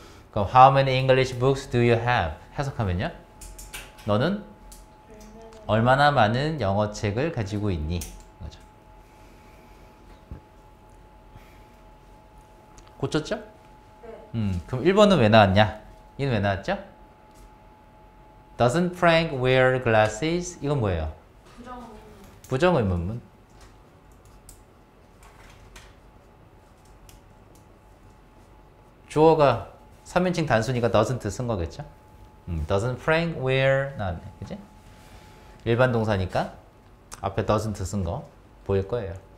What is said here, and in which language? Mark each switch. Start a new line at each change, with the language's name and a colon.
Korean: 그럼
English: How many English books do you have?
Korean: 해석하면요. 너는 얼마나 많은 영어책을 가지고 있니? 그렇죠. 고쳤죠? 그럼 1번은 왜 나왔냐? 이건 왜 나왔죠?
English: Doesn't Frank wear glasses?
Korean: 이건 뭐예요? 부정의문문. 주어가 3인칭 단수니까 doesn't 쓴 거겠죠?
English: Doesn't Frank wear
Korean: 나왔네, 그지? 일반 동사니까 앞에 doesn't 쓴거 보일 거예요.